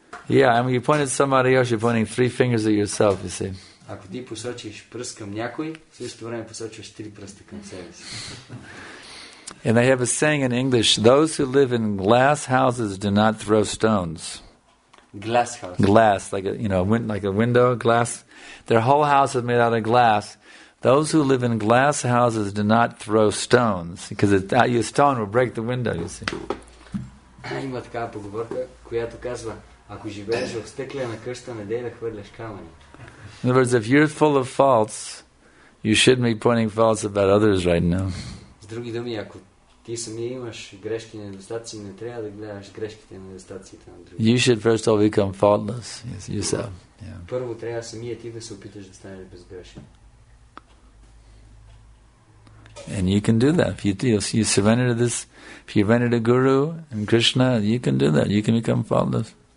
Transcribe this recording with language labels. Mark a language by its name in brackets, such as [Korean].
[English] Yeah, I mean, you pointed somebody else, you're pointing three fingers at yourself, you see. [Bulgarian] Ако ти посочиш пръст към някой, в същото време посочваш три пръста към себе си. [English] And they have a saying in English, those who live in glass houses do not throw stones. Glass house. Glass, like a, you know, like a window, glass. Their whole house is made out of glass. Those who live in glass houses do not throw stones, because your stone will break the window, you see. [Bulgarian] Има такава поговорка, която казва, ако живееш в стъклена къща, не дей да хвърляш камъни. [English] In other words, if you're full of faults, you shouldn't be pointing faults about others right now. [Bulgarian] С други думи, ако ти самия имаш грешки и недостатъци, не трябва да гледаш грешките и недостатъците на други. [English] You should first of all become faultless yourself. Yeah. [Bulgarian] Първо трябва самия ти да се опиташ да станеш безгрешен. [English] And you can do that. If you surrender to this, if you surrender to Guru and Krishna, you can do that. You can become faultless.